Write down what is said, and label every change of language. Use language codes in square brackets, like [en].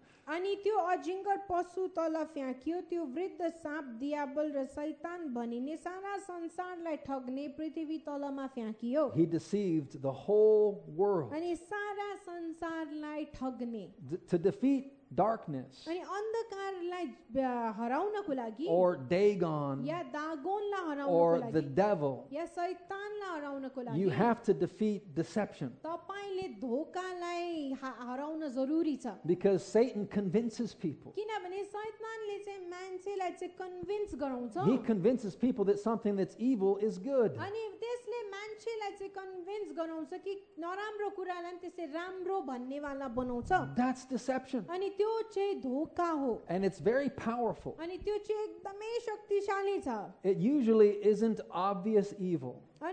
[ne] अनि त्यो अजिङ्गर पशु तल फ्याँकियो त्यो वृद्ध साँप डियाबल र शैतान भनिने सारा संसारलाई ठग्ने पृथ्वी तलमा फ्याँकियो [en] He deceived the whole world [ne] अनि सारा संसारलाई ठग्ने [en] to defeat darkness [ne] अनि अन्धकारलाई हराउनको लागि [en] or Dagon [ne] या दागोनलाई हराउनको लागि [en] or the devil [ne] या शैतानलाई हराउनको लागि [en] you have to defeat deception [ne] तपाईले धोकालाई हराउन जरुरी छ [en] because Satan convinces people [ne] किनभने शैतानले चाहिँ मान्छेलाई चाहिँ कन्भिन्स गराउँछ [en] he convinces people that something that's evil is good [ne] अनि त्यसले मान्छेलाई चाहिँ कन्भिन्स गराउँछ कि नराम्रो कुरालाई त्यसै राम्रो भन्ने वाला बनाउँछ [en] that's deception And it's very powerful. It usually isn't obvious evil.